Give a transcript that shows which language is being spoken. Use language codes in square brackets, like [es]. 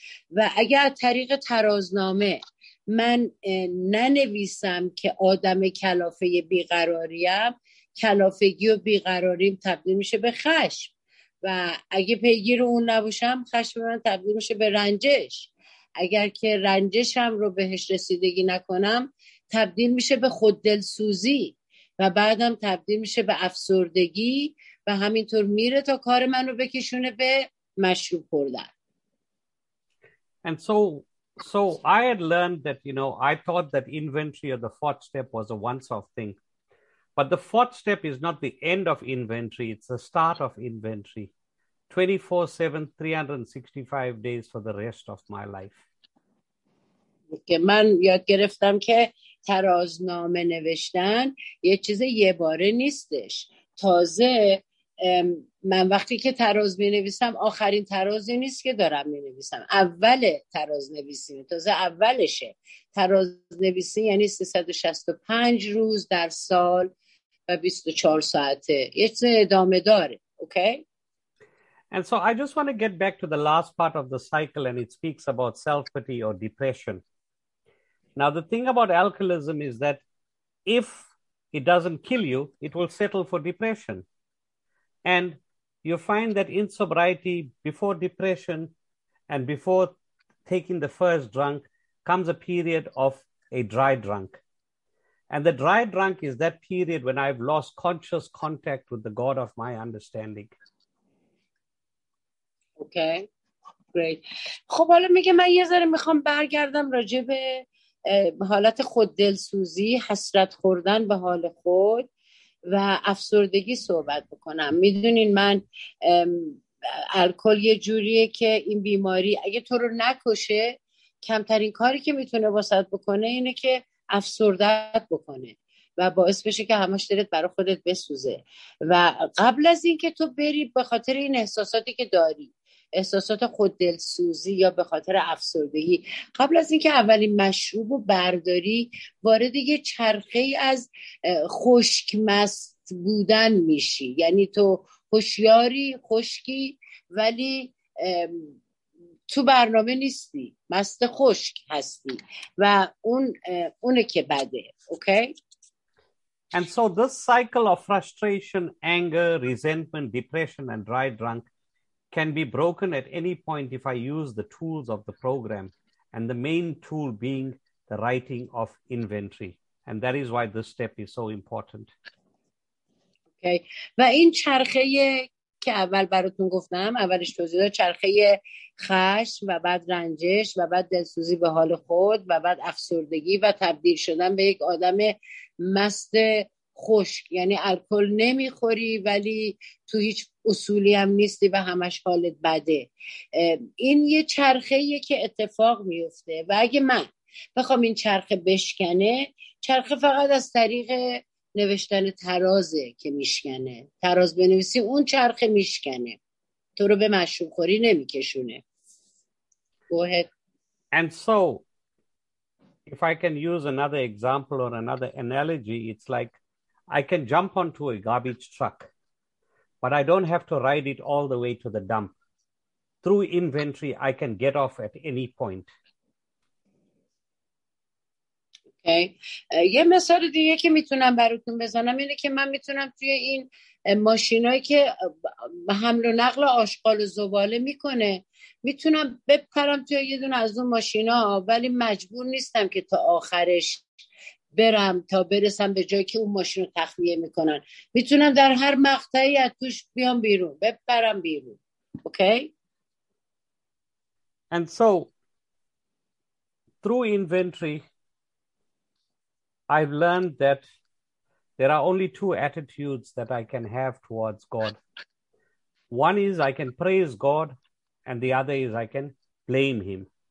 [fa] و اگه از طریق ترازنامه من ننویسم که آدم کلافه بیقراریم، کلافگی و بیقراریم تبدیل میشه به خشم و اگه پیگیر اون نباشم، خشم من تبدیل میشه به رنجش. اگر که رنجشم رو بهش رسیدگی نکنم، تبدیل میشه به خوددلسوزی و بعدم تبدیل میشه به افسردگی و همینطور میره تا کار منو بکشونه به مشروب خوردن. [en] And so I had learned that, you know, I thought that inventory or the fourth step was a once-off thing. But the fourth step is not the end of inventory, it's the start of inventory. 24/7, 365 days for the rest of my life. [fa] که من یاد گرفتم که ترازنامه نوشتن یه چیز یه باره نیستش. تازه من وقتی که تراز می نویسم، آخرین ترازی نیست که دارم می نویسم، اول تراز نویسی، تازه اولشه. تراز نویسی یعنی 365 روز در سال و 24 ساعته. یه چیز ادامه داره. اوکی؟ [en] And so I just want to get back to the last part of the cycle, and it speaks about self-pity or depression. Now, the thing about alcoholism is that if it doesn't kill you, it will settle for depression. And you find that in sobriety, before depression and before taking the first drunk, comes a period of a dry drunk. And the dry drunk is that period when I've lost conscious contact with the God of my understanding. Okay, great. [fa] خب حالا میگه من یه ذره میخوام برگردم راجع به حالت خود دلسوزی، حسرت خوردن به حال خود و افسردگی صحبت بکنم. میدونین من الکل یه جوریه که این بیماری اگه تو رو نکشه، کمترین کاری که میتونه واسط بکنه اینه که افسردت بکنه و باعث بشه که همش دلت برای خودت بسوزه. و قبل از این که تو بری به خاطر این احساساتی که داری، احساسات خود دلسوزی یا به خاطر افسردگی، قبل از این که اولین مشروب رو برداری، وارد یه چرخه از خشک‌مست بودن میشی. یعنی تو هوشیاری، خشکی، ولی تو برنامه نیستی، مست خشک هستی و اونه که بده. [en] Okay? And so this cycle of frustration, anger, resentment, depression, and dry drunk can be broken at any point if I use the tools of the program, and the main tool being the writing of inventory. And that is why this step is so important. Okay. [fa] و این چرخه که اول براتون گفتم، اولش توضیح داد، چرخه خشم و بعد رنجش و بعد دلسوزی به حال خود و بعد افسردگی و تبدیل شدن به یک آدم مست خشک، یعنی الکل نمیخوری ولی تو هیچ اصولی هم نیستی و همش حالت بده. این یه چرخه یه که اتفاق میفته و اگه من بخوام این چرخه بشکنه، چرخه فقط از طریق نوشتن ترازه که میشکنه. تراز بنویسی اون چرخه میشکنه، تو رو به مشروب خوری نمیکشونه. [en] Go ahead. And so if I can use another example or another analogy, it's like I can jump onto a garbage truck, but I don't have to ride it all the way to the dump. Through inventory, I can get off at any point. Okay. [fa] یه مثال دیگه که میتونم براتون بزنم اینه که من میتونم توی این ماشینایی که حمل و نقل آشغال و زباله میکنه، میتونم بپرم توی یه دونه از اون ماشینا، ولی مجبور نیستم که تا آخرش برم تا برسم به جایی که اون ماشین رو تخلیه میکنن. میتونم در هر مقطعی از توش بیام بیرون، بپرم بیرون. [en] Okay. And so through inventory I've learned that there are only two attitudes that I can have towards God. One is I can praise God, and the other is I can blame him.